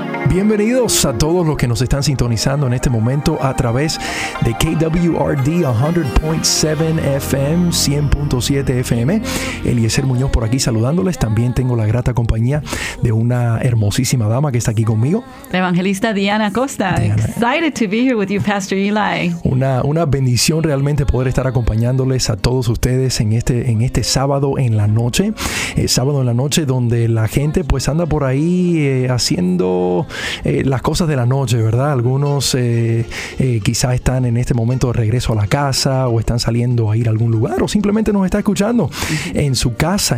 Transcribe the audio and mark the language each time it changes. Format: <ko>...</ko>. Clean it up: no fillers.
<es>Bienvenidos a todos los que nos están sintonizando en este momento a través de KWRD 100.7 FM, 100.7 FM. Eliezer Muñoz por aquí saludándoles. También tengo la grata compañía de una hermosísima dama que está aquí conmigo. La evangelista Diana Costa. Diana.</es> <en>Excited to be here with you, Pastor Eli.</en> <es>Una bendición realmente poder estar acompañándoles a todos ustedes en este sábado en la noche. Sábado en la noche donde la gente pues anda por ahí haciendo... las cosas de la noche, ¿verdad? Algunos quizás están en este momento de regreso a la casa o están saliendo a ir a algún lugar o simplemente nos está escuchando en su casa.</es>